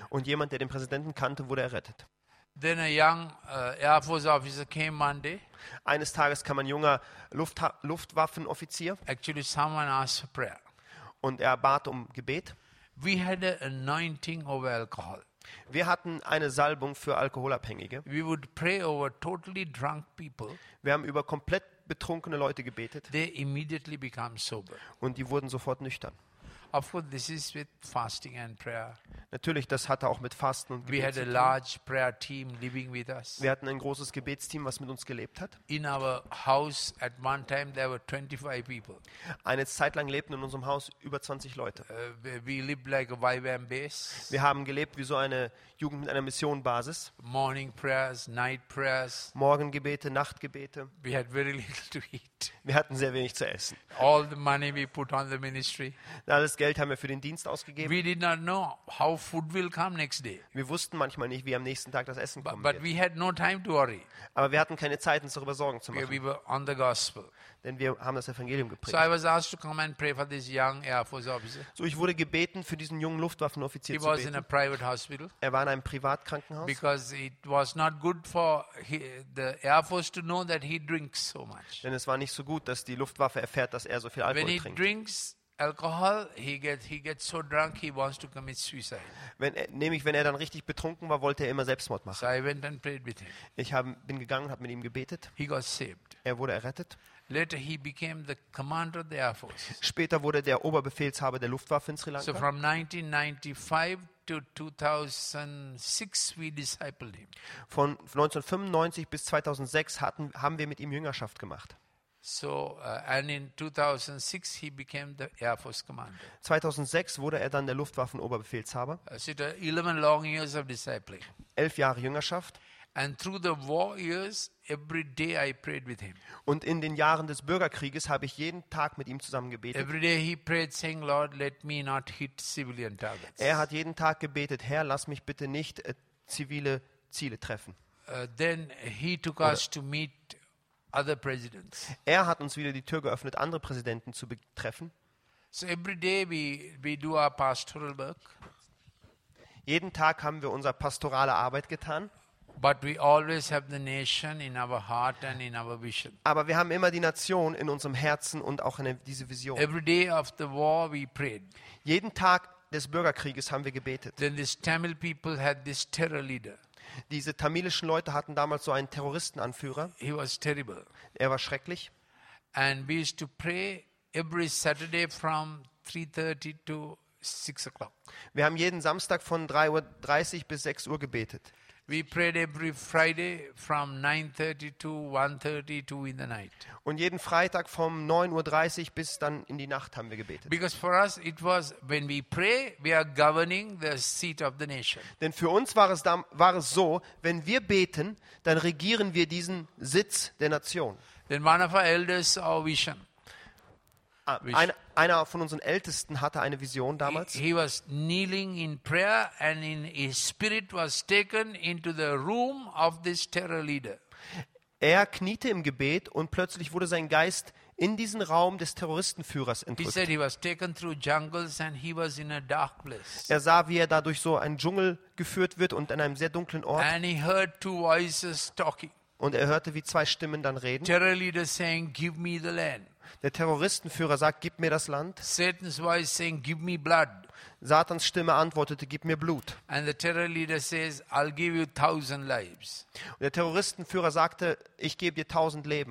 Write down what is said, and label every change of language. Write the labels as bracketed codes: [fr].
[de] Und jemand, der den Präsidenten kannte, wurde errettet. [en] Then a young Air Force officer came Monday. [de] Eines Tages kam ein junger Luftwaffenoffizier. [en] Actually, someone asked for prayer. [de] Und er bat um Gebet. [en] We had an anointing over alcohol. [de] Wir hatten eine Salbung für Alkoholabhängige. [en] We would pray over totally drunk people. [de] Wir haben über komplett betrunkene Leute gebetet. [en] They immediately became sober. [de] Und die wurden sofort nüchtern. [en] Of course, this is with fasting and prayer. [de] Natürlich, das hatte auch mit Fasten und Gebet zu tun. [en] We had a large prayer team living with us. [de] Wir hatten ein großes Gebetsteam, was mit uns gelebt hat. [en] In our house at one time there were 25 people. [de] Eine Zeit lang lebten in unserem Haus über 20 Leute. [en] We lived like a YWAM base. [de] Wir haben gelebt wie so eine Jugend mit einer Missionbasis. [en] Morning prayers, night prayers. [de] Morgengebete, Nachtgebete. [en] We had very little to eat. [de] Wir hatten sehr wenig zu essen. [en] All the money we put on the ministry. [de] Alles Geld haben wir für den Dienst ausgegeben. [en] We did not know how food will come next day. [de] Wir wussten manchmal nicht, wie am nächsten Tag das Essen kommen [en] but [de] wird. [en] We had no time to worry. [de] Aber wir hatten keine Zeit, uns darüber Sorgen zu machen. [en] We were on the gospel. [de] Denn wir haben das Evangelium geprägt. [en] So I was asked to come and pray for this young Air Force officer. [de] So ich wurde gebeten, für diesen jungen Luftwaffenoffizier [en] he [de] zu beten. [en] He was in a private hospital. [de] Er war in einem Privatkrankenhaus. [en] Because it was not good for the Air Force to know that he drinks so much. [de] Denn es war nicht so gut, dass die Luftwaffe erfährt, dass er so viel Alkohol trinkt. [en] When he drinks alcohol, he gets so drunk, he wants to commit suicide. [de] Wenn er dann richtig betrunken war, wollte er immer Selbstmord machen. [en] So I went and prayed with him. [de] Ich bin gegangen, habe mit ihm gebetet. [en] He got saved. [de] Er wurde errettet. [en] Later he became the commander of the Air Force. [de] Später wurde der Oberbefehlshaber der Luftwaffe in Sri Lanka. [en] So from 1995 to 2006 we discipled him. [de] Von 1995 bis 2006 haben wir mit ihm Jüngerschaft gemacht. [en] So and in 2006 he became the Air Force commander. [de] 2006 wurde er dann der Luftwaffenoberbefehlshaber. [en] So 11 long years of discipling. [de] 11 Jahre Jüngerschaft. [en] And through the war years every day I prayed with him. [de] Und in den Jahren des Bürgerkrieges habe ich jeden Tag mit ihm zusammen gebetet. [en] Every day he prayed saying Lord let me not hit civilian targets. [de] Er hat jeden Tag gebetet, Herr, lass mich bitte nicht zivile Ziele treffen. [en] Then he took us to meet other presidents. [de] Er hat uns wieder die Tür geöffnet, andere Präsidenten zu treffen. [en] So every day we do our pastoral work. [de] Jeden Tag haben wir unsere pastorale Arbeit getan. [en] But we always have the nation in our heart and in our vision. [de] Aber wir haben immer die Nation in unserem Herzen und auch in diese Vision. [en] Every day of the war we prayed. [de] Jeden Tag des Bürgerkrieges haben wir gebetet. [en] Then this Tamil people had this terror leader. [de] Diese tamilischen Leute hatten damals so einen Terroristenanführer. [en] He was terrible. [de] Er war schrecklich. [en] And we used to pray every Saturday from 3:30 to 6 o'clock. [de] Wir haben jeden Samstag von 3:30 bis 6 Uhr gebetet. [en] We prayed every Friday from 9:30 to 1:30 to in the night. [de] Und jeden Freitag vom 9:30 bis dann in die Nacht haben wir gebetet. [en] Because for us it was when we pray we are governing the seat of the nation. [de] Denn für uns war es so, wenn wir beten, dann regieren wir diesen Sitz der Nation. [en] Then one of our elders saw a vision. [de] Einer von unseren Ältesten hatte eine Vision damals. [en] He was kneeling in prayer and in his spirit was taken into the room of this terror leader. [de] Er kniete im Gebet und plötzlich wurde sein Geist in diesen Raum des Terroristenführers entrückt. [en] He said he was taken through jungles and he was in a dark place. [de] Er sah, wie er da durch so einen Dschungel geführt wird und in einem sehr dunklen Ort. [en] And he heard two voices talking. [de] Und er hörte, wie zwei Stimmen dann reden. [en] Terror leader saying, "Give me the land." [de] Der Terroristenführer sagt, gib mir das Land. [en] Satan's voice saying, give me blood. [de] Satans Stimme antwortete, gib mir Blut. [en] And the terror leader says, I'll give you 1,000 lives. [de] Und der Terroristenführer sagte, ich gebe dir 1,000 Leben.